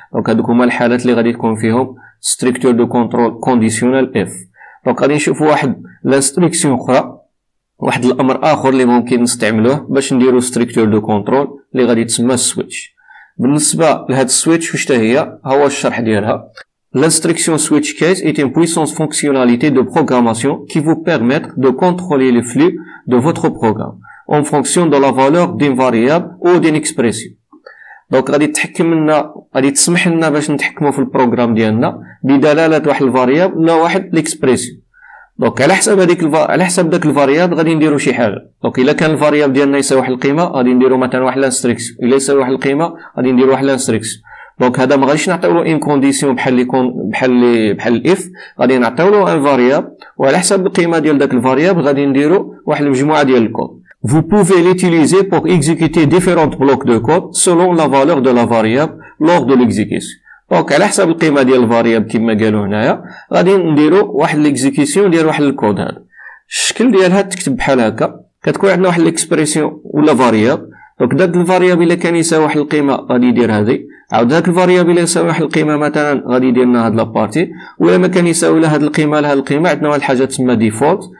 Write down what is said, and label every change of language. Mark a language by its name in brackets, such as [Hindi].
[Arabic] دونك هادوك هما الحالات اللي غادي تكون فيهم ستريكتور دو كونترول كونديسيونال اف. دونك غادي نشوفو واحد لانستريكسيون اخرى، واحد الامر اخر اللي ممكن نستعملوه باش نديرو ستريكتور دو كونترول اللي غادي تسمى السويتش. بالنسبه لهذا السويتش واش حتى هي، هو الشرح ديالها. [French] L'instruction switch case est une puissante fonctionnalité de programmation qui vous permet de contrôler le flux de votre programme en fonction de la valeur d'une variable ou d'une expression. Donc, [Arabic] غادي تحكم لنا، غادي تسمح لنا باش نتحكموا في البروغرام ديالنا بدلاله واحد الفاريابل ولا واحد الاكسبريسيون. دونك على حسب هذيك على حسب داك الفاريابل غادي نديروا شي حاجه. دونك الا كان الفاريابل ديالنا يساوي واحد القيمه غادي نديروا مثلا واحد الانستركسيون، الا يساوي واحد القيمه غادي نديروا واحد الانستركسيون. دونك هذا ما غاديش نعطيو له ان كونديسيون بحال اللي يكون بحال الاف، غادي نعطيو له ان فاريابل وعلى حسب القيمه ديال داك الفاريابل غادي نديرو واحد المجموعه ديال الكود. [French] Vous pouvez l'utiliser pour exécuter différents blocs de code selon la valeur de la variable lors de l'exécution. [Arabic] دونك على حسب القيمه ديال الفاريابل كما قالوا هنايا غادي نديرو واحد ليكزيكيسيون ديال واحد الكود. هذا الشكل ديالها تكتب بحال هكا، كتكون عندنا واحد ليكسبريسيون ولا فاريابل. دونك داك الفاريابل الا كان يساوي واحد القيمه غادي يدير هذه، عاود داك الفاريابل الا يساوي واحد القيمه مثلا غادي يدير لنا هاد لابارتي، ولا ما كان يساوي لا هاد القيمه لا هاد القيمه عندنا واحد الحاجه تسمى ديفولت.